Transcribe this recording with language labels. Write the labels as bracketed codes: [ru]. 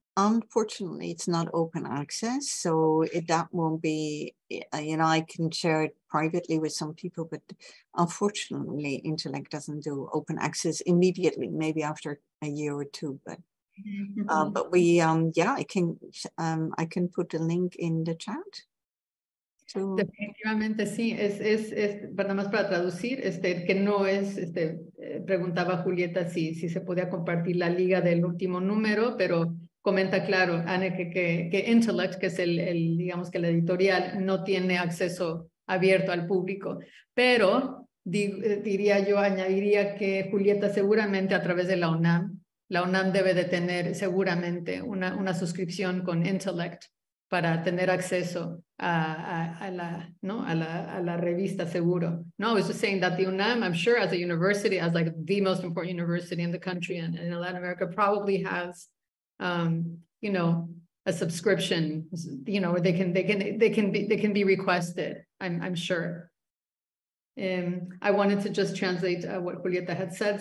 [en] Unfortunately, it's not open access, so that won't be, you know, I can share it privately with some people, but unfortunately, Intellect doesn't do open access immediately, maybe after a year or two, but mm-hmm. But we, yeah, I can put the link in the chat. [es] So, definitivamente sí, es nada más para traducir, que no es, preguntaba Julieta si se podía compartir la liga del último número, pero comenta claro, Anne, que Intellect, que es el digamos que la editorial, no tiene acceso abierto al público, pero diría yo, añadiría que Julieta seguramente a través de la UNAM debe de tener seguramente una suscripción con Intellect, para tener acceso a la revista seguro. [en] No, I was just saying that the UNAM, I'm sure as a university, as like the most important university in the country and in Latin America, probably has, you know, a subscription, you know, they can be requested, I'm sure. I wanted to just translate what Julieta had said.